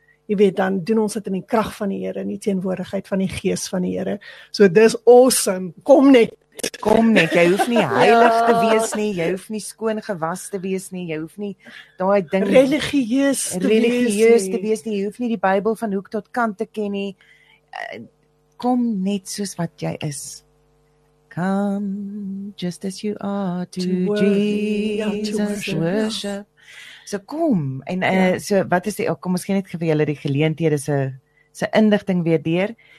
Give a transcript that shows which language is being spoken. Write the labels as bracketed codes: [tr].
[af] Jy weet, dan doen ons dit in die krag van die Here, in die teenwoordigheid van die gees van die Here. So dis awesome, kom net. Kom net, jy hoef nie heilig te wees nie, jy hoef nie skoon gewas te wees nie, jy hoef nie daai ding religieus te wees nie, jy hoef nie die Bybel van hoek tot kant te ken nie. Kom net soos wat jy is. [en] Come just as you are to Jesus worship. [af] So kom, en so wat is die, kom ons gee net vir julle die geleenthede, so inligting weer deur.